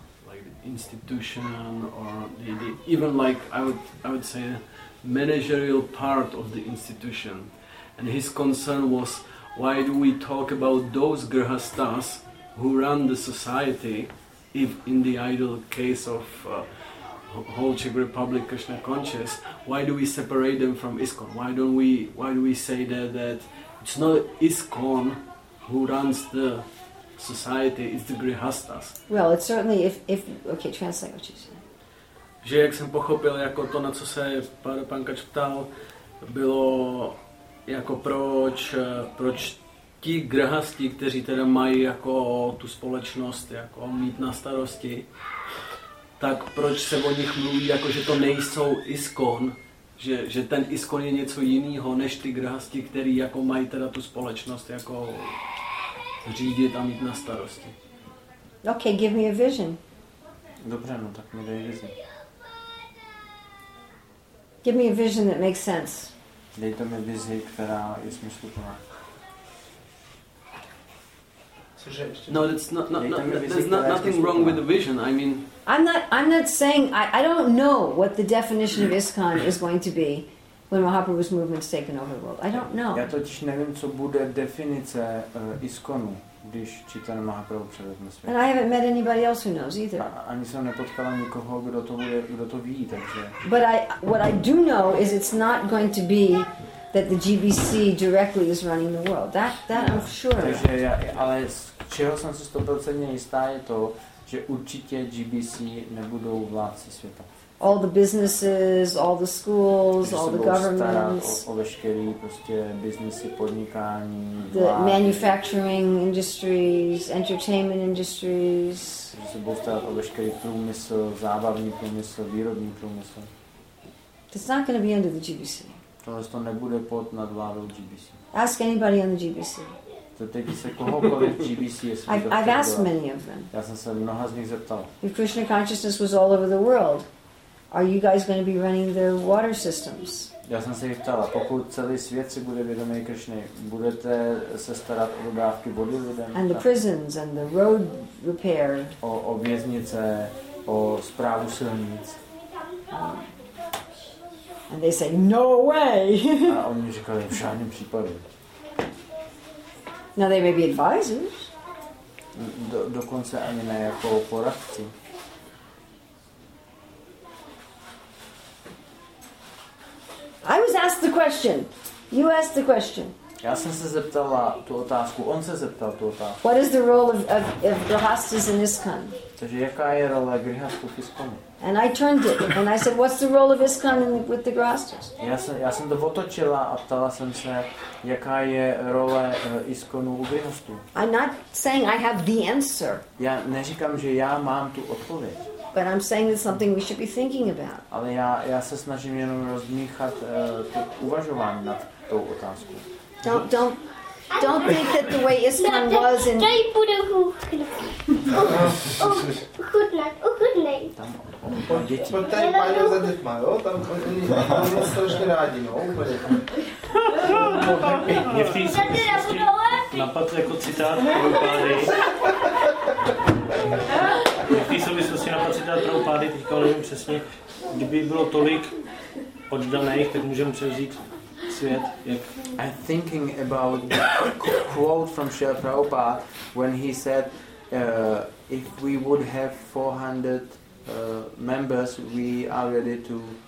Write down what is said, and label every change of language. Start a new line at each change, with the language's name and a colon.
English: like the institution or the even like I would say managerial part of the institution, and his concern was why do we talk about those grihasthas who run the society if in the ideal case of whole Czech Republic Krishna conscious, why do we separate them from ISKCON? Why do we say that it's not ISKCON who runs the society, it's the grihasthas. Well, it's certainly if okay, translate what you said.
Czech: Že jak jsem pochopil, jako to, na co se Pára Pankáč ptal, bylo jako proč ti grihasti, kteří teda mají jako tu společnost jako mít na starosti, tak proč se o nich mluví jako že to nejsou ISKCON? Že ten ISKCON je něco jiného než ty grihasti, který jako mají teda tu společnost jako řídit a mít na starosti.
English: Okay, give me a vision.
Czech: Dobře, no tak mi dej vizi.
English: Give me a vision that makes sense.
Czech: Dej to mi vizi, která je smysluplná.
English: No, there's nothing wrong with the vision. I mean, I'm not saying I don't know what the definition of ISKCON is going to be when Mahaprabhu's movement's taken over the world. I don't know.
Czech: Já totiž nevím, co bude definice ISKCONu, když Chaitanya Mahaprabhu převezme svět.
English: And I haven't met anybody else who knows either.
Czech: Ani jsem nepotkala nikoho, kdo to ví, takže.
English: But what I do know is it's not going to be that the GBC directly is running the world. That I'm sure.
Czech: Takže já, ale z čeho jsem si 100% jistá, je to, že určitě GBC nebudou vládci světa.
English: All the businesses, all the schools, all the governments.
Czech: O veškerý prostě businessy, podnikání,
English: the manufacturing industries, entertainment industries.
Czech: Že se budou starat o veškerý průmysl, zábavní průmysl, výrobní průmysl.
English: It's not going to be under the GBC.
Czech: Tohle to nebude pod nadvládou GBC.
English: Ask anybody on the GBC.
Czech: Zeptejte se kohokoliv GBC, jestli to
English: I've asked many of them.
Czech: Já jsem se mnoha z nich zeptal.
English: If Krishna consciousness was all over the world, are you guys going to be running the water systems?
Czech: Já jsem se jich ptal, pokud celý svět si bude vědomý Krishna, budete se starat o dodávky vody lidem?
English: And the prisons and the road repair.
Czech: O věznice, o správu silnic.
English: And they say, no way.
Czech: A oni říkali, v žádném případě.
English: Now they may be advisors.
Czech: Dokonce ani ne jako poradci.
English: I was asked the question. You asked the question.
Czech: Já jsem se zeptala tu otázku. On se zeptal tu otázku.
English: What is the role of grihasthas in ISKCON?
Czech: Takže jaká je role grihasthů v ISKCONu?
English: And I turned it and I said, what's the role of ISKCON with the grihasthas?
Czech: Já jsem to otočila a ptala jsem se, jaká je role ISKCONu u grihasthů.
English: I'm not saying I have the answer.
Czech: Já neříkám, že já mám tu odpověď.
English: But I'm saying it's something we should be thinking about.
Czech: Ale já se snažím jenom rozmíchat to uvažování nad tou otázkou.
English: Don't Don't think that the way Istvan was in... Oh, good luck. Oh, good luck.
Czech: Pojď tady paní za dětma, jo? Tam oni jsou strašně rádi, no? Úplně. No, mě v té zkušenosti napadl jako citát Prabhupády. Mě v té souvislosti napadl citát Prabhupády, teďka nevím přesně, kdyby bylo tolik oddaných, tak můžeme převzít svět, jak...
English: I'm thinking about the quote from Srila Prabhupada, when he said, if we would have 400 members, we are ready to